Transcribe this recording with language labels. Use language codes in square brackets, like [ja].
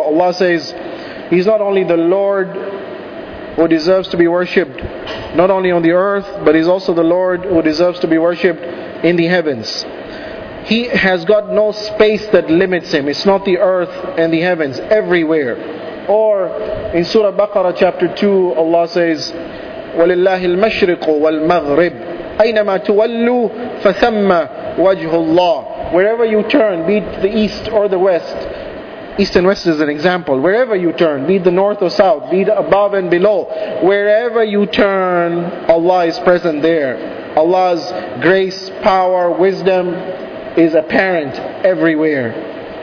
[en] Allah says, He's not only the Lord who deserves to be worshipped, not only on the earth, but is also the Lord who deserves to be worshipped in the heavens. He has got no space that limits him. It's not the earth and the heavens, everywhere. Or in Surah Baqarah chapter 2, Allah says, [ar] وَلِلَّهِ الْمَشْرِقُ وَالْمَغْرِبُ أَيْنَمَا تُوَلُّوا فَثَمَّ وَجْهُ اللَّهِ. [en] Wherever you turn, be it the east or the west, east and west is an example, wherever you turn, be it the north or south, be it above and below, wherever you turn, Allah is present there. Allah's grace, power, wisdom is apparent everywhere.